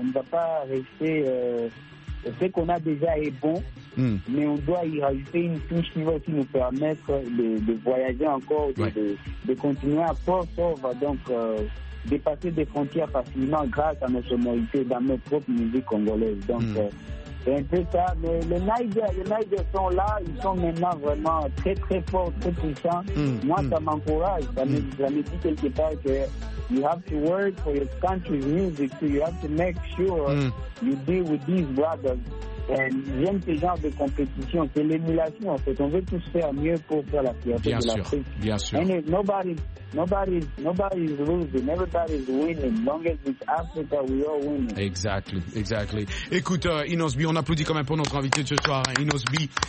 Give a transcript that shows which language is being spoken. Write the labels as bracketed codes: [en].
[fr] On ne va pas rester. Ce qu'on a déjà est bon, mais on doit y rajouter une touche qui va aussi nous permettre de voyager encore, de continuer à poursuivre, donc dépasser des frontières facilement grâce à nos sonorités dans nos propres musiques congolaises. Donc, c'est un peu ça. Mais les Niger sont là, ils sont maintenant vraiment très, très forts, très puissants. Moi, ça m'encourage. Ça me dit quelque part que [en] you have to work for your country's music, so you have to make sure you deal with these brothers. [fr] J'aime ce genre de compétition, c'est l'émulation en fait. On veut tous faire mieux pour faire la fierté bien de sûr, l'Afrique. Bien sûr. [en] And nobody's losing, everybody's winning. Long as it's Africa, we are winning. Exactly. [fr] Écoute, Inosby, on applaudit quand même pour notre invité de ce soir, Inosby.